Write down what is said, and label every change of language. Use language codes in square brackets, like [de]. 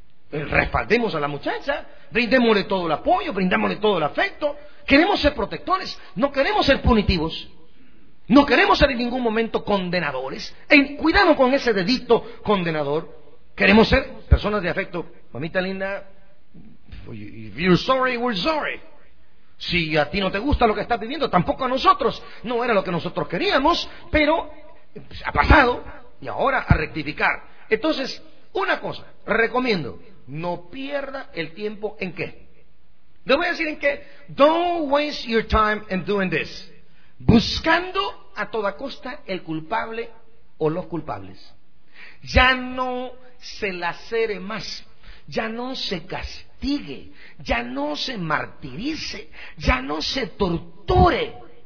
[es] Respaldemos a la muchacha, brindémosle todo el apoyo, brindámosle todo el afecto. Queremos ser protectores, no queremos ser punitivos, no queremos ser en ningún momento condenadores. Cuidado con ese dedito condenador. Queremos ser personas de afecto. Mamita linda, [en] if you're sorry, we're sorry. [es] Si a ti no te gusta lo que estás viviendo, tampoco a nosotros, no era lo que nosotros queríamos, pero ha pasado y ahora a rectificar. Entonces, una cosa recomiendo: no pierda el tiempo en qué. Le voy a decir en qué. [en] Don't waste your time in doing this. [es] Buscando a toda costa el culpable o los culpables. Ya no se lacere más. Ya no se castigue. Ya no se martirice. Ya no se torture.